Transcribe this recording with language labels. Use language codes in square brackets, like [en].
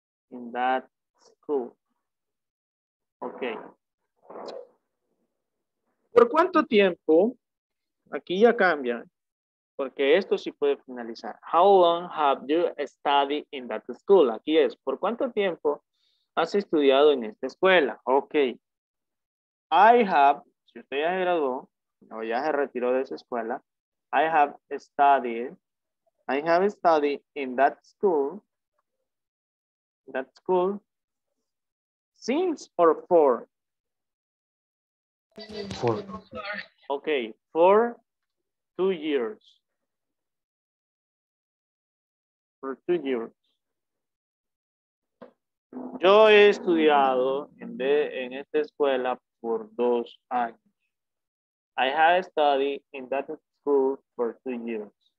[en] In that school. Okay. [es] ¿Por cuánto tiempo? Aquí ya cambia. Porque esto sí puede finalizar. [en] How long have you studied in that school? [es] Aquí es. ¿Por cuánto tiempo has estudiado en esta escuela? [en] Okay. I have, [es] si usted ya se graduó, o ya se retiró de esa escuela, [en] I have studied in that school since or for? For. Okay, for 2 years. for 2 years. [es] Yo he estudiado en esta escuela por 2 años. [en] I have studied in that school for 2 years.